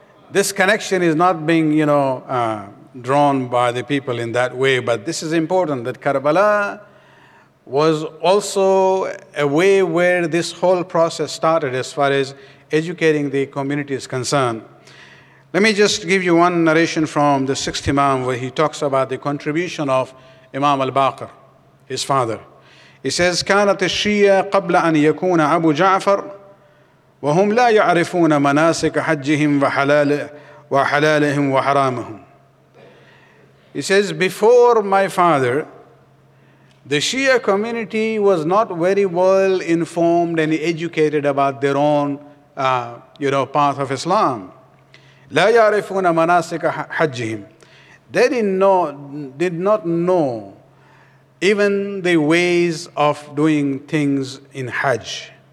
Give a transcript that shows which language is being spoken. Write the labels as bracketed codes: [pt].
[en] This connection is not being, you know, drawn by the people in that way, but this is important that Karbala was also a way where this whole process started as far as educating the community is concerned. Let me just give you one narration from the sixth Imam where he talks about the contribution of Imam al-Baqir, his father. He says, [ar] كانت الشيا قبل أن يكون أبو جعفر وهم لا يعرفون مناسك حجهم وحلالهم وحرامهم. [en] He says, before my father, the Shia community was not very well informed and educated about their own path of Islam. [ar] لا يعرفون مناسك حجهم. [en] They did not know even the ways of doing things in Hajj.